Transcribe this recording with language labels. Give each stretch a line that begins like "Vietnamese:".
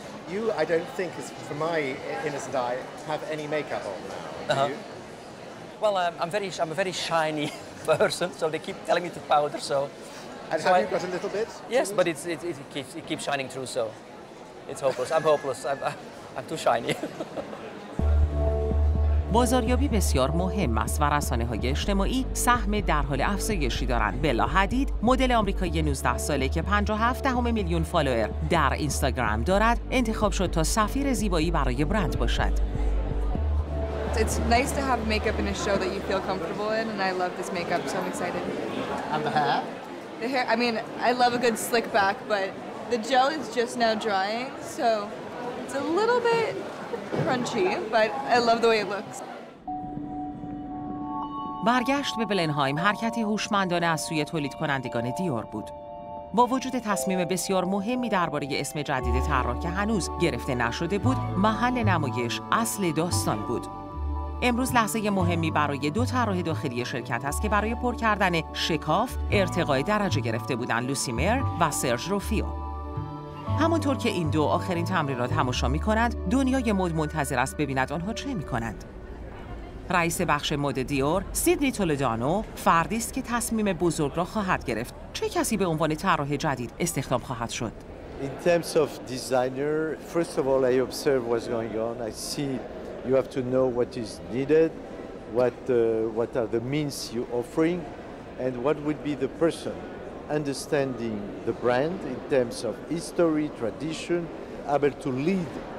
English: You, I don't think, for my innocent eye, have any makeup on now, do you? Well, I'm a very shiny person, so they keep telling me to powder, so. And have you got a little bit? Yes, but it keeps shining through, so it's hopeless. I'm hopeless. I'm too shiny.
Persian: بازاریابی بسیار مهم است و رسانه‌های اجتماعی سهم در حال افزایشی دارند. بلا حدید، مدل آمریکایی 19 ساله که 0.57 میلیون فالوئر در اینستاگرام دارد، انتخاب شد تا سفیر زیبایی برای برند باشد.
English: It's nice to have makeup in a show that you feel comfortable in, and I love this makeup, so I'm excited. And the hair? The hair, I mean, I love a good slick back, but the gel is just now drying, so it's a little bit crunchy, but I love the way it looks.
Persian: برگشت به بلنهایم حرکتی هوشمندانه از سوی تولید کنندگان دیور بود. با وجود تصمیم بسیار مهمی درباره اسم جدید طراح که هنوز گرفته نشده بود، محل نمایش اصل داستان بود. امروز لحظه مهمی برای دو طراح داخلی شرکت است که برای پر کردن شکاف ارتقای درجه گرفته بودند، لوسی مر و سرژ روفیو. همونطور که این دو آخرین تمرین را تماشا می کند، دنیای مد منتظر است ببیند آنها چه می کند. رئیس بخش مد دیور، سیدنی تولدانو، فردی است که تصمیم بزرگ را خواهد گرفت. چه کسی به عنوان طراح جدید استخدام خواهد شد؟
English: In terms of designer, first of all, I observe what's going on. I see you have to know what is needed, what are the means you offering, and what would be the person. Understanding the brand in terms of history, tradition, able to lead.